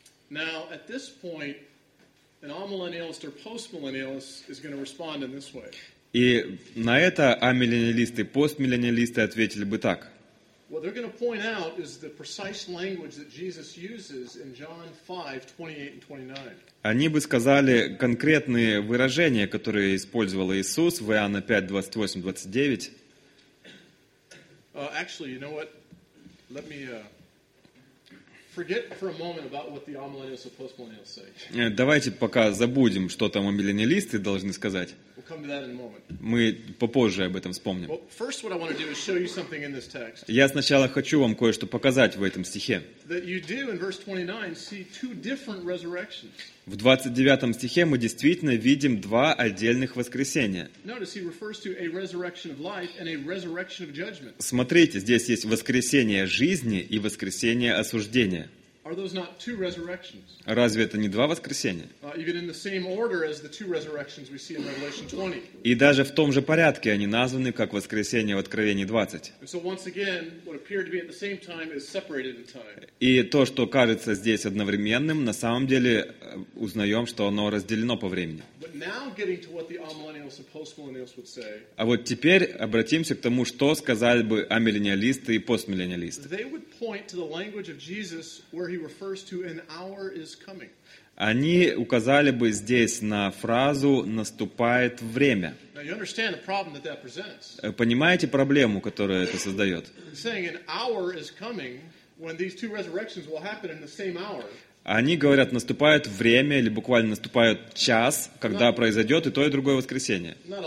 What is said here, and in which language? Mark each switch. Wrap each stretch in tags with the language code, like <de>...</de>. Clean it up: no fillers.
<en>Now at this point, an amillennialist or postmillennialist is going to respond in this way.</en> <ru>И на это амиллениалисты, постмиллениалисты ответили бы так.</ru> <en>What they're going to point out is the precise language that Jesus uses in John 5:28-29.</en> <ru>Они бы сказали конкретные выражения, которые использовал Иисус в Иоанна 5:28-29.</ru> <en>Actually, you know what? Let me. Forget for a moment about what the amillennialists or postmillennialists say.</en> <ru>Давайте пока забудем, что там амиллениалисты должны сказать.</ru> <en>We'll come to that in a moment.</en> <ru>Мы попозже об этом вспомним.</ru> <en>Well, first, what I want to do is show you something in this text.</en> <ru>Я сначала хочу вам кое-что показать в этом стихе.</ru> <en>That you do in verse 29 see two different resurrections.</en> <ru>В 29 стихе мы действительно видим два отдельных воскресения.</ru> <en>Notice he refers to a resurrection of life and a resurrection of judgment.</en> <ru>Смотрите, здесь есть воскресение жизни и воскресение осуждения.</ru> <en>Are those not two resurrections?</en> <ru>Разве это не два воскресения?</ru> <en>Even in the same order as the two resurrections we see in Revelation 20.</en> <ru>И даже в том же порядке они названы как воскресение в Откровении 20.</ru> <en>And so once again, what appeared to be at the same time is separated in time.</en> <ru>И то, что кажется здесь одновременным, на самом деле узнаем, что оно разделено по времени.</ru> <en>But now getting to what the amillennials and postmillennials would say.</en> <ru>А вот теперь обратимся к тому, что сказали бы амиллениалисты и постмиллениалисты.</ru> <en>They would point to the language of Jesus. Where he refers to an hour is coming.</en> <ru>Они указали бы здесь на фразу «наступает время».</ru> <en>Now you understand the problem that presents.</en> <ru>Понимаете проблему, которую это создает?</ru> <en>Saying an hour is coming when these two resurrections will happen in the same hour.</en> <ru>Они говорят, наступает время, или буквально наступает час, когда произойдет и то, и другое воскресение.</ru>